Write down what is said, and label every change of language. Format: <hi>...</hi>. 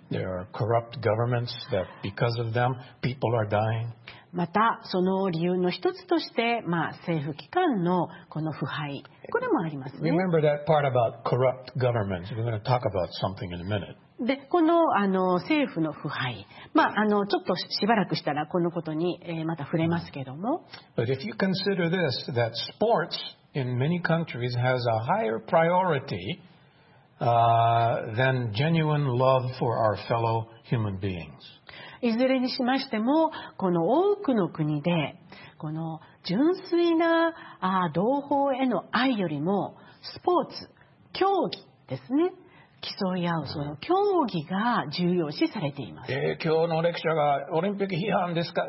<en>There are corrupt governments that because of them, people are dying.</en> <ja>またその理由の一つとして、まあ、政府機関のこの腐敗、これもありますね。</ja> <en>Remember that part about corrupt governments. We're going to talk about something in a minute.</en> <ja>で、この、 政府の腐敗、まあ、ちょっとしばらくしたらこのことに、また触れますけれども。</ja> <en>But if you consider this, that sports in many countries has a higher priority, than genuine love for our fellow human beings.</en> <ja>いずれにしましても、この多くの国で、この純粋な同胞への愛よりも、スポーツ、競技ですね。競い合うその競技が重要視されています。今日のレクチャーがオリンピック批判ですか？</ja>